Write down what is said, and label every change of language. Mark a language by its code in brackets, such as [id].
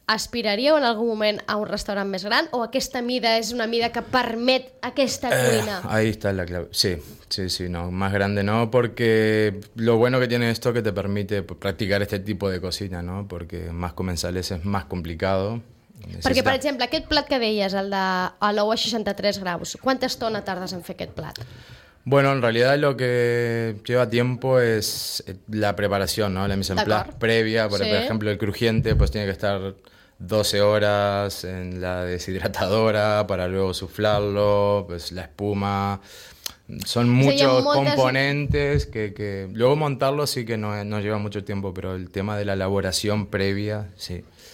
[ca] Aspiraríeu en algun moment a un restaurant més gran o aquesta mida és una mida que permet aquesta cuina? [es] Ahí está la clave. Sí, no, más grande no, porque lo bueno que tiene esto es que te permite practicar este tipo de cocina, ¿no? Porque más comensales es más complicado. [ca] Perquè, per exemple, aquest plat que deies, el de l'ou a 63 graus, quanta estona tardes en fer aquest plat? [es] Bueno, en realidad lo que lleva tiempo es la preparación, ¿no? La mise en place previa. Por ejemplo, el crujiente pues tiene que estar 12 horas en la deshidratadora para luego suflarlo, pues la espuma... Son muchos componentes que luego montarlo sí que no lleva mucho tiempo, pero el tema de la elaboración previa, sí.